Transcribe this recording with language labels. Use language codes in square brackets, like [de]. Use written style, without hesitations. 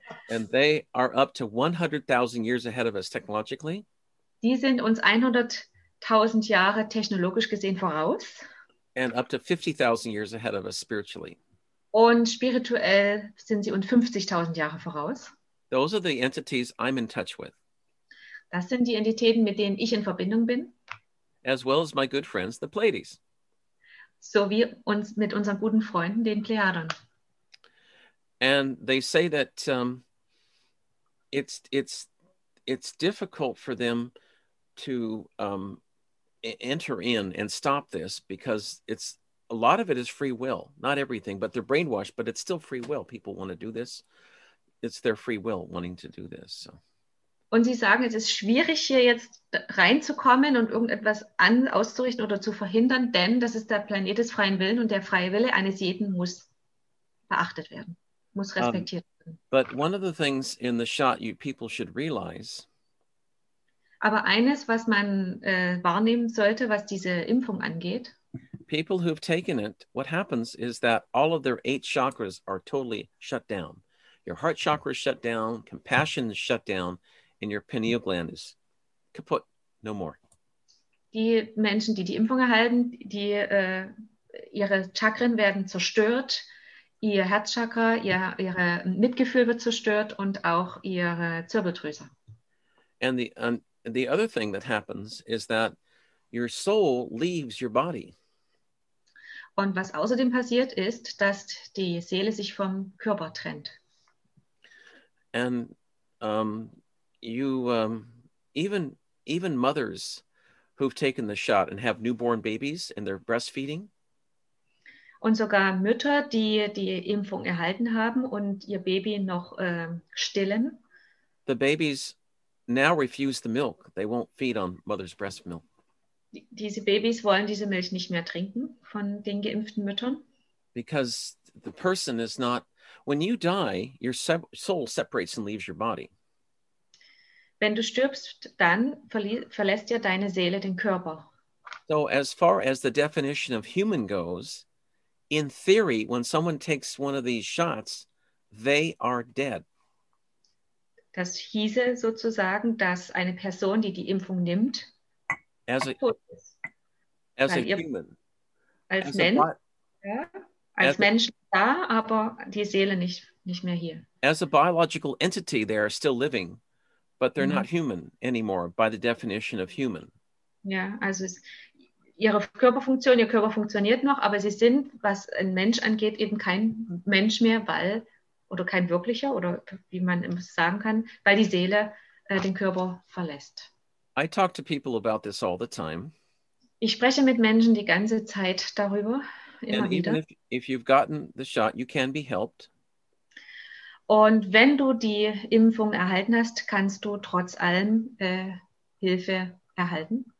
[en] And they are up to 100,000 years ahead of us technologically. [de] Die sind uns 100,000 Jahre technologisch gesehen voraus. [en] And up to 50,000 years ahead of us spiritually. [de] Und spirituell sind sie uns 50,000 Jahre voraus. [en] Those are the entities I'm in touch with. [de] Das sind die Entitäten, mit denen ich in Verbindung bin. [en] As well as my good friends, the Pleiades. [de] So wie uns mit unseren guten Freunden, den Plejadern. [en] And they say that it's difficult for them to enter in and stop this because it's a lot of it is free will, not everything, but they're brainwashed, but it's still free will. People want to do this. It's their free will wanting to do this. So. [de] Und sie sagen, es ist schwierig, hier jetzt reinzukommen und irgendetwas auszurichten oder zu verhindern, denn das ist der Planet des freien Willens und der freie Wille eines jeden muss beachtet werden, muss respektiert werden. [en] But one of the things in the shot you people should realize. [de] Aber eines, was man wahrnehmen sollte, was diese Impfung angeht. [en] People who've taken it, what happens is that all of their 8 chakras are totally shut down. Your heart chakra is shut down, compassion is shut down. In your pineal gland is kaput, no more. [de] Die Menschen, die Impfung erhalten, die ihre Chakren werden zerstört, ihr Herzchakra, ihre Mitgefühl wird zerstört und auch ihre Zirbeldrüse. [en] And the other thing that happens is that your soul leaves your body. [de] Und was außerdem passiert ist, dass die Seele sich vom Körper trennt. [en] And even mothers who've taken the shot and have newborn babies and they're breastfeeding. [de] Und sogar Mütter, die Impfung erhalten haben und ihr Baby noch stillen. [en] The babies now refuse the milk. They won't feed on mother's breast milk. [de] Diese Babys wollen diese Milch nicht mehr trinken von den geimpften Müttern. [en] Because the person is not, when you die, your soul separates and leaves your body. [de] Wenn du stirbst, dann verlässt ja deine Seele den Körper. [en] So as far as the definition of human goes, in theory, when someone takes one of these shots, they are dead. [de] Das hieße sozusagen, dass eine Person, die Impfung nimmt, aber die Seele nicht mehr hier. [en] As a biological entity, they are still living. But they're not human anymore by the definition of human. [de] Ja, also ihre Körperfunktion, ihr Körper funktioniert noch, aber sie sind, was ein Mensch angeht, eben kein Mensch mehr, weil, oder kein wirklicher, oder wie man sagen kann, weil die Seele den Körper verlässt. [en] I talk to people about this all the time. [de] Ich spreche mit Menschen die ganze Zeit darüber, immer [en] and [de] wieder. [en] And if you've gotten the shot, you can be helped. [de] Und wenn du die Impfung erhalten hast, kannst du trotz allem Hilfe erhalten.